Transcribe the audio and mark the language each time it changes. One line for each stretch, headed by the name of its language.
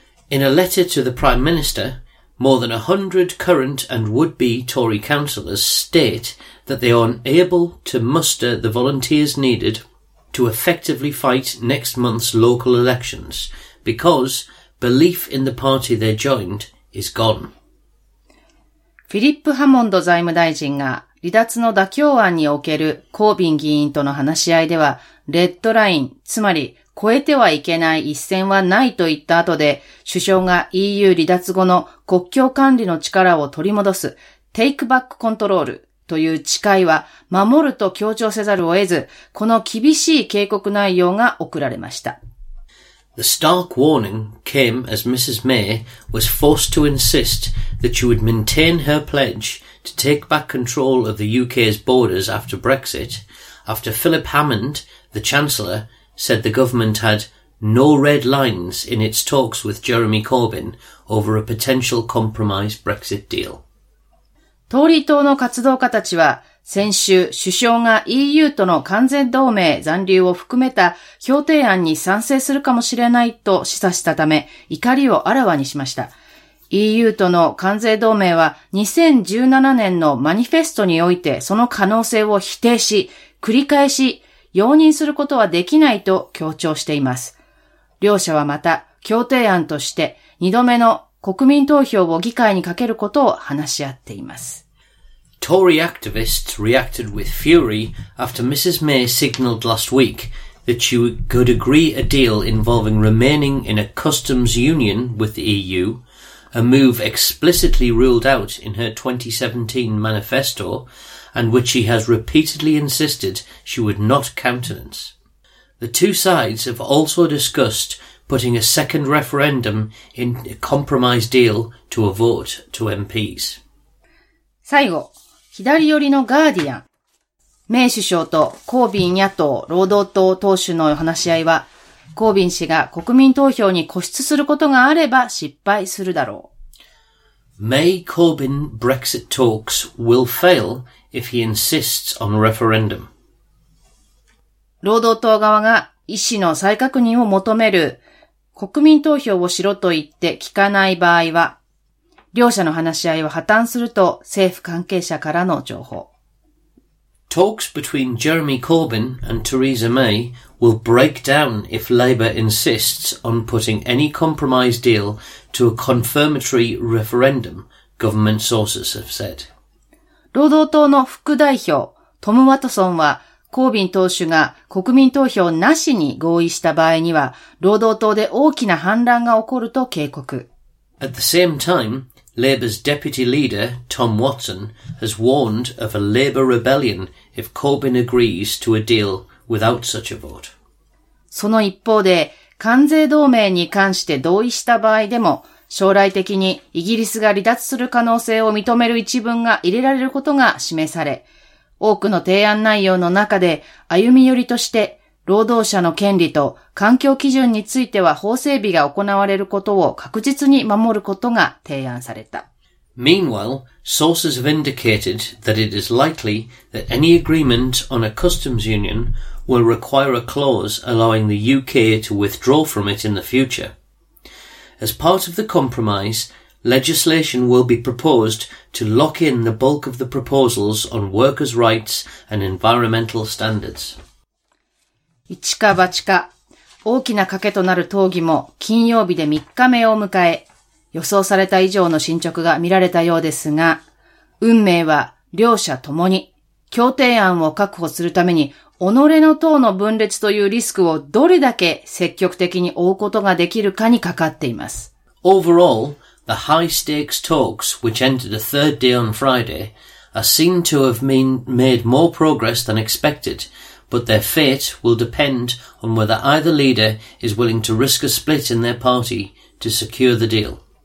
English: In a letter to the Prime Minister, more than 100 current and would-be Tory councillors state that they are unable to muster the volunteers needed to effectively fight next month's local elections because belief in the party they joined is gone.
Japanese: フィリップ・ハモンド財務大臣が離脱の妥協案におけるコービン議員との話し合いでは、レッドライン、つまり越えてはいけない一線はないと言った後で、首相が EU 離脱後の国境管理の力を取り戻す、テイクバックコントロールという誓いは守ると強調せざるを得ず、この厳しい警告内容が送られました。
English: The stark warning came as Mrs. May was forced to insist that she would maintain her pledge to take back control of the UK's borders after Brexit, after Philip Hammond, the Chancellor, said the government had no red lines in its talks with Jeremy Corbyn over a potential compromise Brexit deal.
Japanese: トーリー党の活動家たちは、先週首相が EU との完全同盟残留を含めた協定案に賛成するかもしれないと示唆したため、怒りをあらわにしました。 EU との関税同盟は2017年のマニフェストにおいてその可能性を否定し、繰り返し容認することはできないと強調しています。両者はまた協定案として2度目の国民投票を議会にかけることを話し合っています。
English: Tory activists reacted with fury after Mrs. May signaled last week that she could agree a deal involving remaining in a customs union with the EU. A move explicitly ruled out in her 2017 manifesto, and which she has repeatedly insisted she would not countenance. The two sides have also discussed putting a second referendum in a compromise deal to a vote to MPs.
Japanese: 最後、左寄りのガーディアン。メイ首相とコービン野党労働党党首の話し合いは、コービン氏が国民投票に固執することがあれば失敗するだろう。
English: May Corbyn Brexit talks will fail if he insists on a referendum.
Japanese: 労働党側が意思の再確認を求める国民投票をしろと言って聞かない場合は、両者の話し合いは破綻すると政府関係者からの情報。
English: Talks between Jeremy Corbyn and Theresa May will break down if Labour insists on putting any compromise deal to a confirmatory referendum, government sources have said.
Japanese: 労働党の副代表トム・ワトソンは、コービン党首が国民投票なしに合意した場合には、労働党で大きな反乱が起こると警告。
English: At the same time,Labour's deputy leader, Tom Watson, has warned of a Labour rebellion if Corbyn agrees to a deal without such a vote.
Japanese: その一方で、関税同盟に関して同意した場合でも、将来的にイギリスが離脱する可能性を認める一文が入れられることが示され、多くの提案内容の中で歩み寄りとして、労働者の権利と環境基準については法整備が行われることを確実に守ることが提案された。
English: Meanwhile, sources have indicated that it is likely that any agreement on a customs union will require a clause allowing the UK to withdraw from it in the future. As part of the compromise, legislation will be proposed to lock in the bulk of the proposals on workers' rights and environmental standards.
Japanese: 一か八か、大きな賭けとなる討議も金曜日で3日目を迎え、予想された以上の進捗が見られたようですが、運命は両者ともに、協定案を確保するために、己の党の分裂というリスクをどれだけ積極的に追うことができるかにかかっています。
English: Overall, the high stakes talks which ended a third day on Friday are seen to have made more progress than expected. But their fate will depend on whether either leader is willing to risk a split in their party to secure the deal.